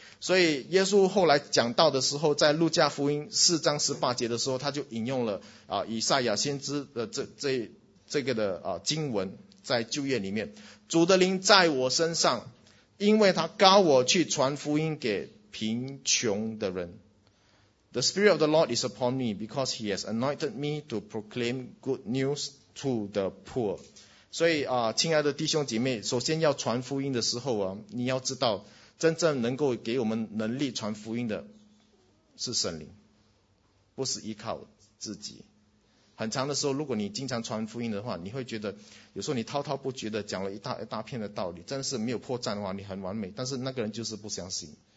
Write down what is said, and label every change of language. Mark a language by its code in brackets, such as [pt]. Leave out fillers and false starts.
[zh] 所以耶稣后来讲道的时候，在路加福音4:18的时候，他就引用了以赛亚先知的这个的经文，在旧约里面，主的灵在我身上，因为他高我去传福音给贫穷的人。 [en] The spirit of the Lord is upon me because he has anointed me to proclaim good news to the poor. [zh] 所以亲爱的弟兄姐妹，首先要传福音的时候你要知道真正能够给我们能力传福音的是圣灵，不是依靠自己。很长的时候，如果你经常传福音的话，你会觉得有时候你滔滔不绝的讲了一大片的道理，真的是没有破绽的话，你很完美，但是那个人就是不相信。